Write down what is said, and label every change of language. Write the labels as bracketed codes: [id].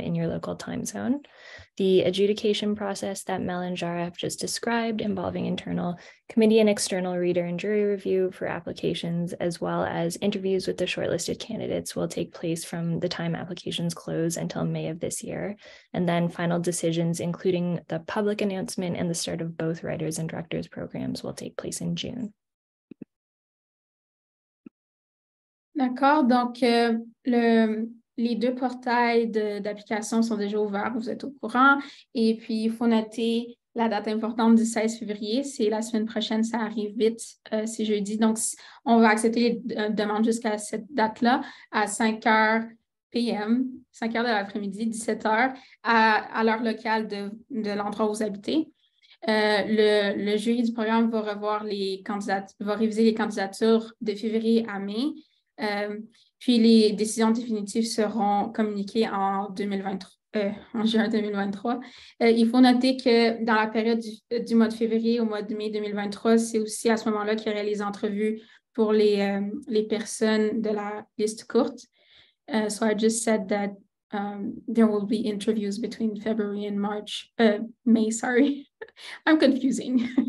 [en] in your local time zone. The adjudication process that Mel and Jara have just described, involving internal committee and external reader and jury review for applications, as well as interviews with the shortlisted candidates, will take place from the time applications close until May of this year. And then final decisions, including the public announcement and the start of both writers and directors programs, will take place in June. [fr] D'accord, donc les deux portails d'application sont déjà ouverts, vous êtes au courant. Et puis, il faut noter la date importante du 16 février. C'est la semaine prochaine, ça arrive vite, c'est jeudi. Donc, on va accepter les demandes jusqu'à cette date-là à 5 heures de l'après-midi, 17 heures, à l'heure locale de l'endroit où vous habitez. Le jury du programme va revoir les candidats, va réviser les candidatures de février à mai. Puis les décisions définitives seront communiquées en 2023, en juin 2023. Il faut noter que dans la période du mois de février au mois de mai 2023, c'est aussi à ce moment-là qu'il y aurait les entrevues pour les personnes de la liste courte. [en] So I just said that there will be interviews between February and March, May, sorry. I'm confusing.